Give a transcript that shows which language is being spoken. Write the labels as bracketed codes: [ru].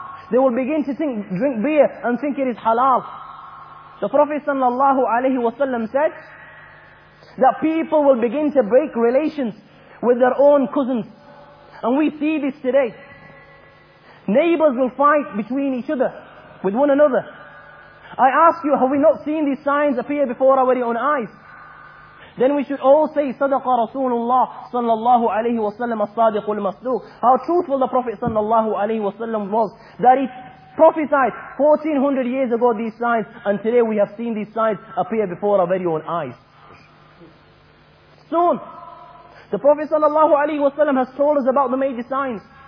[en] They will begin to drink beer and think it is halal. The Prophet sallallahu alayhi wa sallam said that people will begin to break relations with their own cousins. And we see this today. Neighbors will fight between each other, with one another. I ask you, have we not seen these signs appear before our very own eyes? Then we should all say, [ar] صدق رسول الله صلى الله عليه وسلم الصادق المصدوق. [en] How truthful the Prophet [ar] صلى الله عليه وسلم [en] was, that he prophesied 1400 years ago these signs, and today we have seen these signs appear before our very own eyes. Soon, the Prophet [ar] صلى الله عليه وسلم [en] has told us about the major signs.